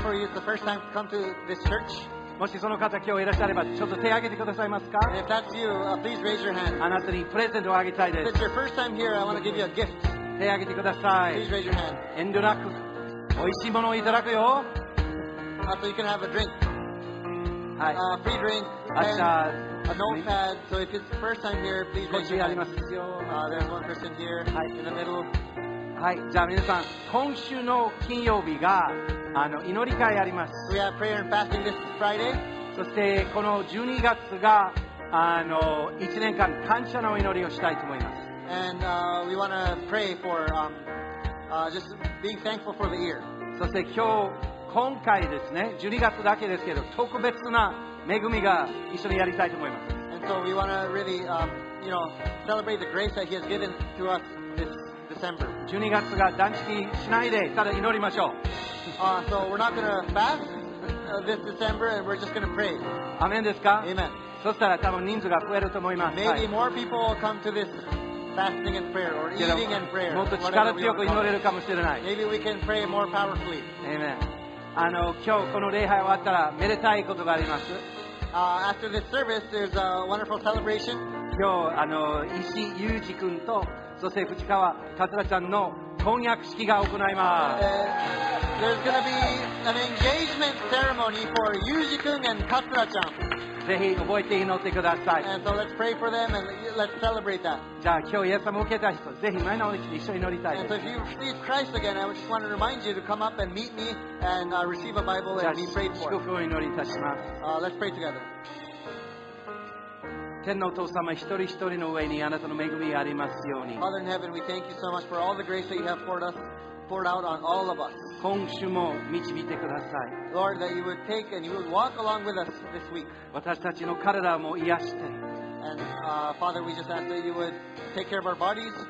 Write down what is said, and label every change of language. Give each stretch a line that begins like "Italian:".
English: Maybe for you it's the first time to come to this church.
Japanese: もしその方今日いらっしゃればちょっと手を挙げてくださいますか。
English: If that's you, please raise your hand.
Japanese: あなたにプレゼントをあげたいです。
English: If it's your first time here, I want to give you a gift.
Japanese: 手を挙げてください。
English: Please raise your hand.
Japanese: 遠慮なく、おいしいものをいただくよ。
English: Also, you can have a drink.
Japanese: はい。
English: Free drink. And a notepad. So if it's the first time here, please raise your hand. There's one person here、はい、in the middle.
Japanese: はい、じゃあ皆さん、今週の金曜日が祈り会あります。
English: We have prayer and fasting this Friday.
Japanese: そしてこの12月が1年間感謝の祈りをしたいと思います。
English: And we want to pray for just being thankful for the year.
Japanese: そして今回ですね、12月だけですけど特別な恵みが一緒にやりたいと思います。
English: And so we want to really celebrate the grace that He has given to us this.
Japanese: 12月が断食しないでただ祈りましょう。
English: So we're not going to fast this December and we're just going to pray.
Japanese: アメンですか？
English: Amen.
Japanese: そしたら多分人数が増えると思います。
English: Maybe more people will come to this fasting and prayer or eating and prayer.
Japanese: もっと力強く祈れるかもしれない。
English: Maybe we can pray more powerfully. Amen.
Japanese: 今日この礼拝終わったらめでたいことがあります。
English: After this service there's a wonderful celebration.
Japanese: 今日石裕二君とそして藤川桂ちゃんの婚約式が行います。
English: There's going to be an engagement ceremony for Yuji君 and Katsura ちゃん。
Japanese: ぜひ覚えて祈ってください。
English: And so let's pray for them and let's celebrate that.
Japanese: じゃあ今日イエス様を受けた人ぜひ前の方に一緒に祈りたい。
English: And so if you receive Christ again, I just want to remind you to come up and meet me and receive a Bible and be prayed for.
Japanese: 祝福を祈りいたします。
English: Let's pray together.
Japanese: 天のお父様、一人一人の上にあなたの恵みがありますように。
English: Father in heaven, we thank you so much for all the grace that you have poured out on all of us.
Japanese: 今週も導いてください。
English: Lord, that you would take and you would walk along with us this week.
Japanese: 私たちの体も癒して。
English: And Father, we just ask that you would take care of our bodies.